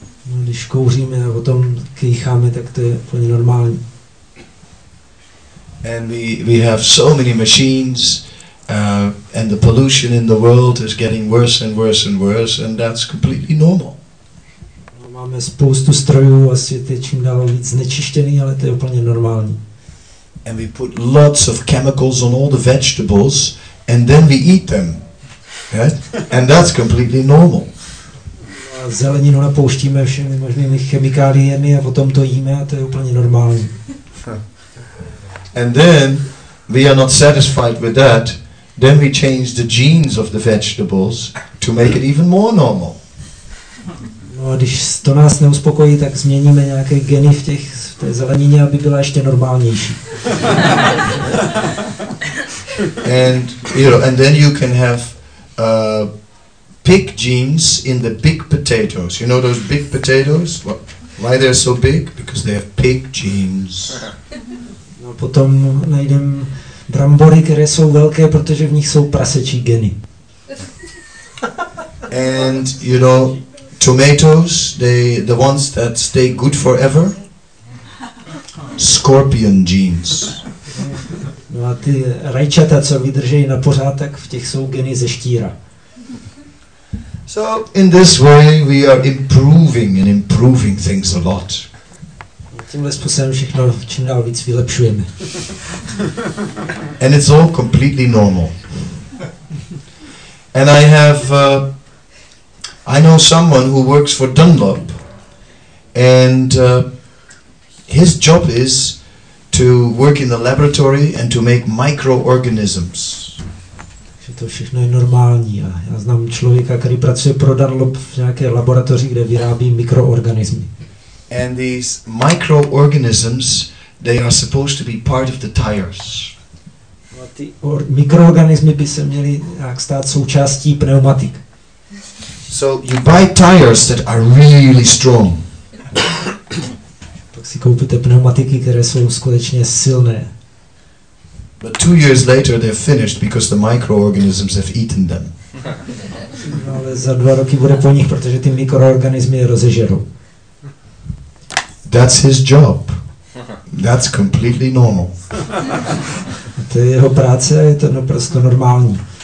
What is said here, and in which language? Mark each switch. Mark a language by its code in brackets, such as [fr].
[cs] No, když kouříme a potom kýcháme, tak to je úplně normální. [en] And we have so many machines, and the pollution in the world is getting worse and worse and worse, and that's completely normal. [cs] No, máme spoustu strojů a svět je čím dál víc znečištěný, ale to je úplně normální. [en] And we put lots of chemicals on all the vegetables, and then we eat them. Right? And that's completely normal. [cs] Zeleninu napouštíme všemi možnými chemikáliemi a potom to jíme a to je úplně normální. [en] And then we are not satisfied with that. Then we change the genes of the vegetables to make it even more normal. [cs] No, No a když to nás neuspokojí, tak změníme nějaké geny v těch v té zelenině, aby byla ještě normálnější. [en] And you know, and then you can have pig genes in the big potatoes. You know those big potatoes? Why they're so big? Because they have pig genes. [cs] No potom najdem brambory, které jsou velké, protože v nich jsou prasečí geny. [en] And you know tomatoes, the ones that stay good forever. Scorpion genes. [cs] No a ty rajčata, co vydržejí na pořád, tak v těch jsou geny ze štíra. [en] So in this way we are improving and improving things a lot. [cs] Tímhle způsobem všechno čím dál víc vylepšujeme. [en] And it's all completely normal. And I have I know someone who works for Dunlop, and his job is to work in the laboratory and to make microorganisms. [cs] Takže to všechno je normální. Já znám člověka, který pracuje pro Dunlop v nějaké laboratoři, kde vyrábí mikroorganismy. [en] And these microorganisms, they are supposed to be part of the tires. [cs] A ty mikroorganismy by se měly nějak stát součástí pneumatik. [en] So you buy tires that are really strong. [cs] Tak si koupíte pneumatiky, které jsou skutečně silné. [en] But 2 years later they're finished because the microorganisms have eaten them. [cs] No, ale za 2 roky bude po nich, protože ty mikroorganismy je rozežerou. [en] That's his job. That's completely normal. [cs] To je jeho práce, je to naprosto normální.